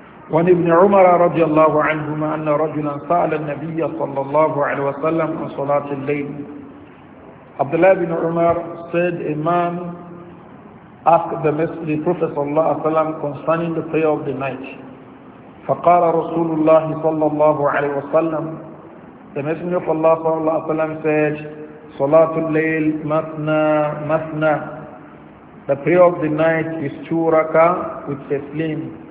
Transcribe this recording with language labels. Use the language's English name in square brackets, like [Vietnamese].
[Arabic] وعن ابن عمر رضي الله عنهما أن رجلا سأل النبي صلى الله عليه وسلم عن صلاة الليل. [English] عبد الله بن عمر said a man asked the Prophet [Arabic] صلى الله عليه وسلم [English] concerning the prayer of the night. [Arabic] فقال رسول الله صلى الله عليه وسلم [English] the Messenger of Allah [Arabic] صلى الله عليه وسلم said صلاة الليل مثنى مثنى. [English] The prayer of the night is two raka with taslim.